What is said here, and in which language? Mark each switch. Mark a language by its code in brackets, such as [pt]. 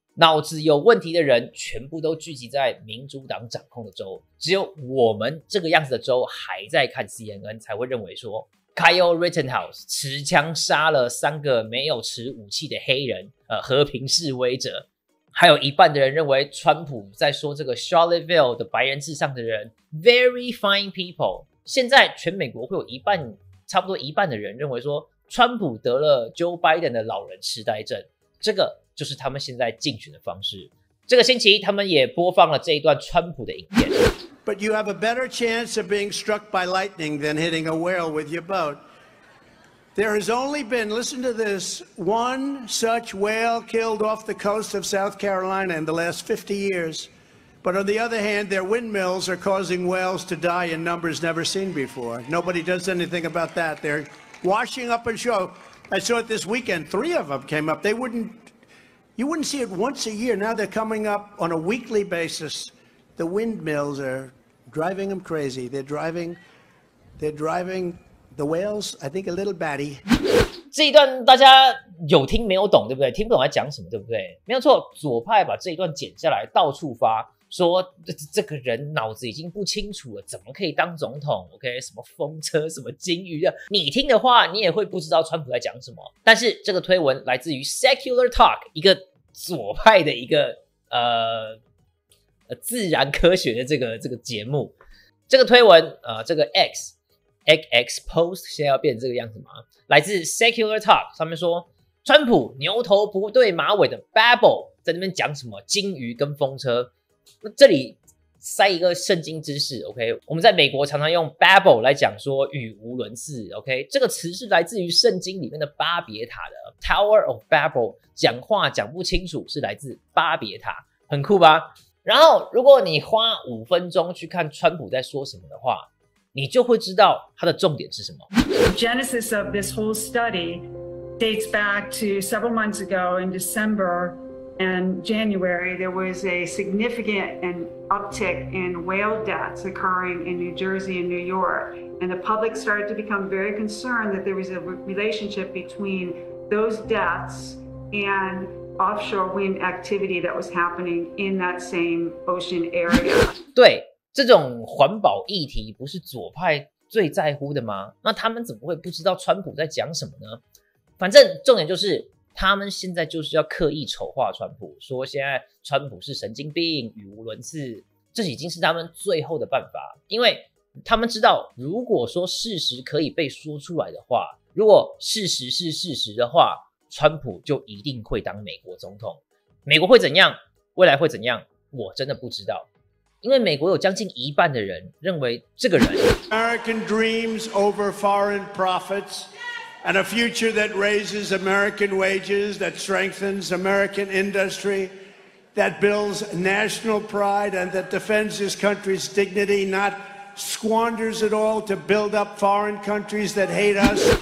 [zh] 脑子有问题的人全部都聚集在民主党掌控的州，只有我们这个样子的州还在看 CNN， 才会认为说 Kyle Rittenhouse 持枪杀了3没有持武器的黑人和平示威者，还有一半的人认为川普在说这个 Charlottesville 的白人至上的人 [en] very fine people。 [zh] 现在全美国会有一半，差不多一半的人认为说川普得了 Joe Biden 的老人痴呆症，这个就是他们现在竞选的方式。这个星期他们也播放了这一段川普的影片。 [en] But you have a better chance of being struck by lightning than hitting a whale with your boatThere has only been, listen to this, one such whale killed off the coast of South Carolina in the last 50 years. But on the other hand, their windmills are causing whales to die in numbers never seen before. Nobody does anything about that. They're washing up on shore. I saw it this weekend. 3 of them came up. They wouldn't You wouldn't see it once a year. Now they're coming up on a weekly basis. The windmills are driving them crazy. They're driving the whales, I think, a little batty. [zh] 这一段大家有听没有懂，对不对？听不懂在讲什么，对不对？没有错，左派把这一段剪下来，到处发，说 这个人脑子已经不清楚了，怎么可以当总统 ？OK， 什么风车，什么金鱼的，你听的话，你也会不知道川普在讲什么。但是这个推文来自于 Secular Talk， 一个左派的一个自然科学的这个节目。这个推文这个 X Post 现在要变这个样子吗？来自 Secular Talk 上面说，川普牛头不对马尾的 Babble 在那边讲什么金鱼跟风车。那这里塞一个圣经知识 ，OK？ 我们在美国常常用 Babble 来讲说语无伦次 ，OK？这个词是来自于圣经里面的巴别塔的 Tower of Babel， 讲话讲不清楚是来自巴别塔，很酷吧？然后如果你花五分钟去看川普在说什么的话，你就会知道他的重点是什么。 [en] The genesis of this whole study dates back to several months ago in December and January. There was a significant an uptick in whale deaths occurring in New Jersey and New York, and the public started to become very concerned that there was a relationship between those deaths and offshore wind activity that was happening in that same ocean area. [zh] 对。这种环保议题不是左派最在乎的吗？那他们怎么会不知道川普在讲什么呢？反正重点就是他们现在就是要刻意丑化川普，说现在川普是神经病，语无伦次，这已经是他们最后的办法。因为他们知道，如果说事实可以被说出来的话，如果事实是事实的话，川普就一定会当美国总统。美国会怎样？未来会怎样？我真的不知道。因为美国有将近一半的人认为这个人 [en] American dreams over foreign profits and a future that raises American wages, that strengthens American industry, that builds national pride and that defends this country's dignity, not squanders it all to build up foreign countries that hate us.